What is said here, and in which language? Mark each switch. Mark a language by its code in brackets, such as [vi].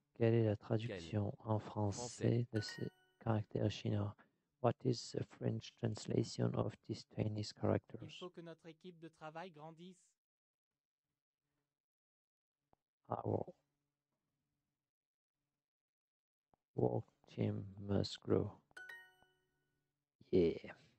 [fr] Quelle est la traduction en français de ce caractère chinois? [en] What is the French translation of these Chinese characters? [fr] Il faut que notre équipe de travail grandisse. [en] Our work team must grow. Yeah.